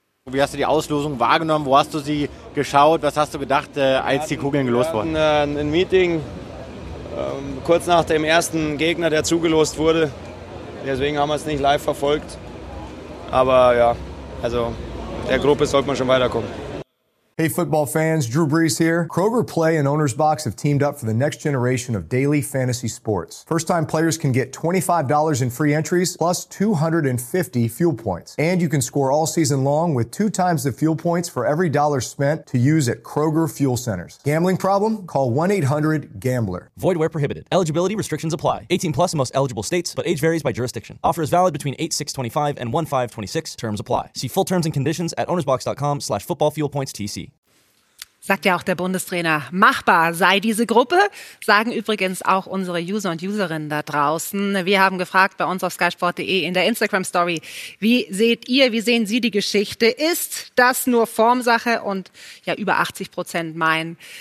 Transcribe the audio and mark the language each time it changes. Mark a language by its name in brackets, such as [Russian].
[German] Wie hast du die Auslosung wahrgenommen? Wo hast du sie geschaut? Was hast du gedacht, als die Kugeln gelost wurden? Wir hatten ein Meeting kurz nach dem ersten Gegner, der zugelost wurde. Deswegen haben wir es nicht live verfolgt. Aber ja, also der Gruppe sollte man schon weiterkommen. [English] Hey football fans, Drew Brees here. Kroger Play and Owner's Box have teamed up for the next generation of daily fantasy sports. First-time players can get $25 in free entries, plus 250 fuel points. And you can score all season long with 2x the fuel points for every dollar spent to use at Kroger Fuel Centers. Gambling problem? Call 1-800-GAMBLER. Void where prohibited. Eligibility restrictions apply. 18 plus in most eligible states, but age varies by jurisdiction. Offer is valid between 8/6/25 and 1/5/26. Terms apply. See full terms and conditions at ownersbox.com/footballfuelpointstc. [German] Sagt ja auch der Bundestrainer, machbar sei diese Gruppe, sagen übrigens auch unsere User und Userinnen da draußen. Wir haben gefragt bei uns auf skysport.de in der Instagram-Story, wie sehen Sie die Geschichte? Ist das nur Formsache? Und ja, über 80% meinen,